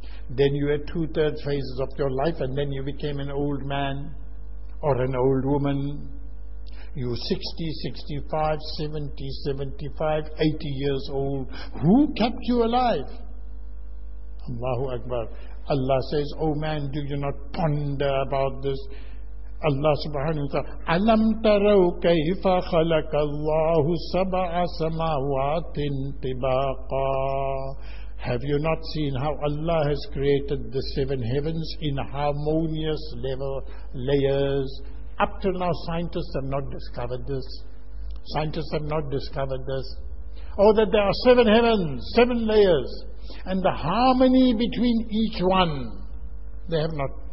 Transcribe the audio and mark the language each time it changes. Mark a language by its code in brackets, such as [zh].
[en] Then you had two-thirds phases of your life, and then you became an old man or an old woman. You 60, 65, 70, 75, 80 years old. Who kept you alive? Allahu Akbar. Allah says, O man, do you not ponder about this? [ar] Allah subhanahu wa ta'ala, أَلَمْ تَرَوْ كَيْفَ خَلَقَ اللَّهُ سَبْعَ سَمَاوَاتٍ طِبَاقًا. [en] Have you not seen how Allah has created the seven heavens in harmonious level layers? Up till now, scientists have not discovered this. Scientists have not discovered this. Oh, that there are seven heavens, seven layers, and the harmony between each one. They have not.